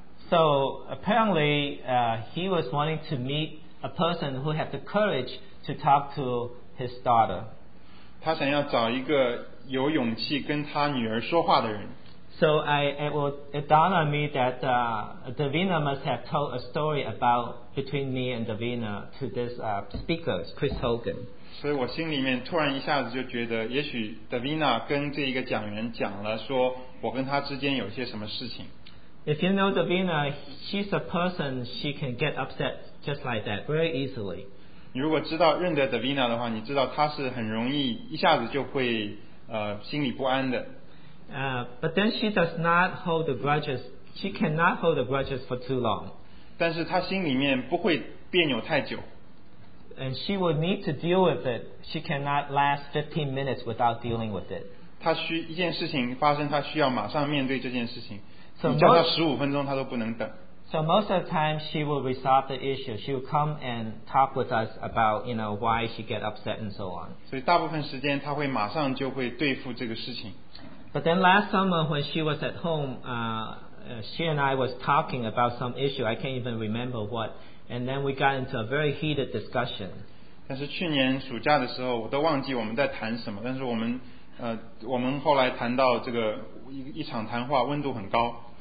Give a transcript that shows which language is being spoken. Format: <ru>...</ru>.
<en>So apparently he was wanting to meet a person who had the courage to talk to his daughter.</en> <zh>他想要找一个有勇气跟他女儿说话的人。</zh> <en>So it dawned on me that Davina must have told a story about between me and Davina to this speaker, Chris Hogan.</en> <zh>所以我心里面突然一下子就觉得，也许 Davina 跟这一个讲员讲了，说我跟他之间有些什么事情。</zh> <en>If you know Davina, she's a person she can get upset just like that, very easily.</en> <zh>你如果知道认得 Davina 的话，你知道她是很容易一下子就会心里不安的。</zh> <en>But then she does not hold the grudges. She cannot hold the grudges for too long.</en> <zh>但是她心里面不会别扭太久。</zh> <en>And she would need to deal with it. She cannot last 15 minutes without dealing with it.</en> <zh>她需一件事情发生，她需要马上面对这件事情。 So 你叫她15分钟，她都不能等。</zh> <en>So most of the time, she will resolve the issue. She will come and talk with us about, you know, why she get upset and so on.</en> <zh>所以大部分时间，她会马上就会对付这个事情。</zh> <en>But then last summer when she was at home, she and I was talking about some issue. I can't even remember what. And then we got into a very heated discussion.</en> <zh>但是去年暑假的时候，我都忘记我们在谈什么。但是我们后来谈到这个一场谈话，温度很高。</zh>